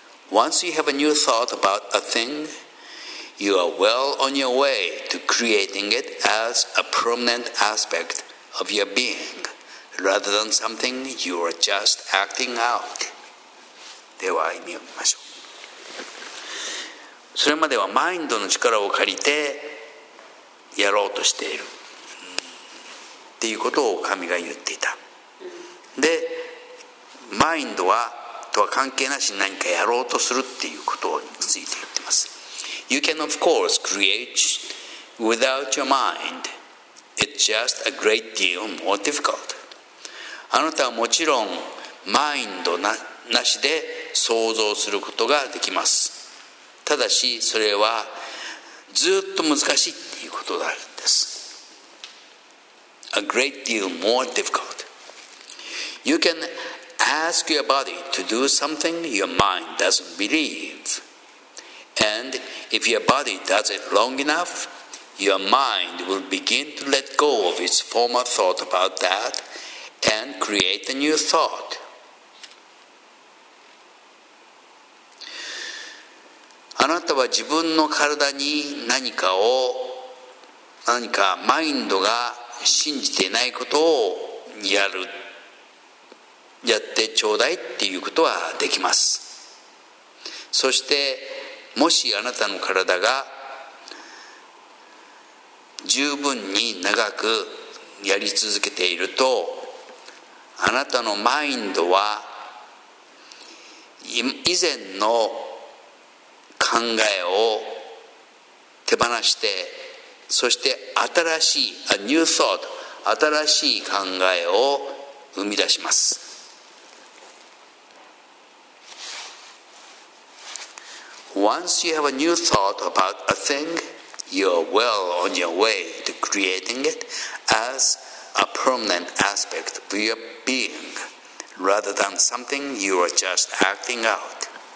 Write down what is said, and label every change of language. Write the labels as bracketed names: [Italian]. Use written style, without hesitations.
[English] Once you have a new thought about a thing, you are well on your way to creating it as a permanent aspect of your being, rather than something you are just acting out. [Japanese] では、読みましょう。それまではマインドの力を借りてやろうとしているっていうことを神が言っていた。で、マインドはとは関係なしに何かやろうとするっていうことについて言ってます。 [English] You can of course create without your mind. It's just a great deal more difficult. [Japanese] あなたはもちろんマインドなしで想像することができます。ただしそれはずっと難しいっていうことなんです。 [English] A great deal more difficult. You can ask your body to do something your mind doesn't believe. And if your body does it long enough, your mind will begin to let go of its former thought about that and create a new thought. [Japanese] あなたは自分の体に何かマインドが信じていないことをやってちょうだいっていうことはできます。そしてもしあなたの体が十分に長くやり続けているとあなたのマインドは以前の考えを手放してそして新しい [English] A new thought [Japanese] 新しい考えを生み出します。 [English] Once you have a new thought about a thing, you are well on your way to creating it as a permanent aspect of your being, rather than something you are just acting out.